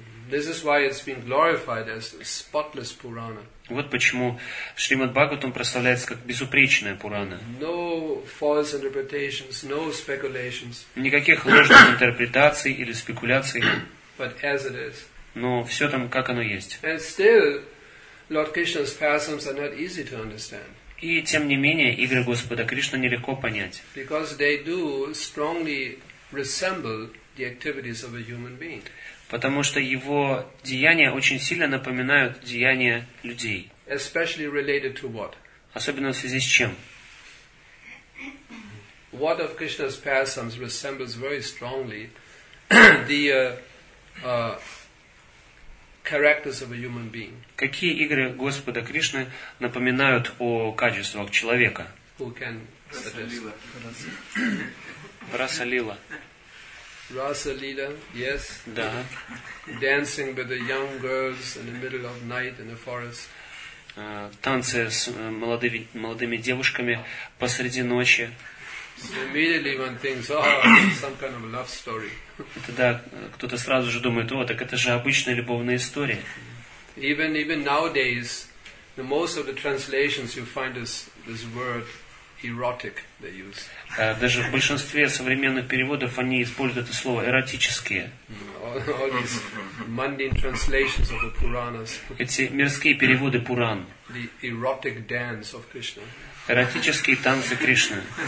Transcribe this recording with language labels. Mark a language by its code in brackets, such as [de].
[ru] Вот почему Шримад Бхагаватам прославляется как безупречная Пурана. [en] No false interpretations, no speculations. [ru] Никаких ложных интерпретаций или спекуляций. [en] But as it is. [ru] Но все там как оно есть. [en] And still, Lord Krishna's passions are not easy to understand. [ru] И тем не менее, игры Господа Кришны нелегко понять. [en] Because they do strongly resemble the activities of a human being. [ru] Потому что его деяния очень сильно напоминают деяния людей. [en] Especially related to what? [ru] Особенно в связи с чем? [en] What of Krishna's pastimes resembles very strongly the characters of a human being? [ru] Какие игры Господа Кришны напоминают о качествах человека? [en] Who can suggest? Rasa Lila. Rasa Lila, yes. [ru] Да. [en] Dancing with the young girls in the middle of night in the forest. [ru] Танцы с молодыми девушками посреди ночи. [en] So immediately one thinks, oh, some kind of love story. [ru] Тогда кто-то сразу же думает, о, так это же обычная любовная история. [en] Even nowadays, the most of the translations you find this word erotic they use. [ru] Даже в большинстве современных переводов они используют это слово эротические. [en] All these mundane translations of the Puranas. [ru] Эти мирские переводы Пуран. [en] The erotic dance of Krishna. [ru] Эротические танцы Кришны.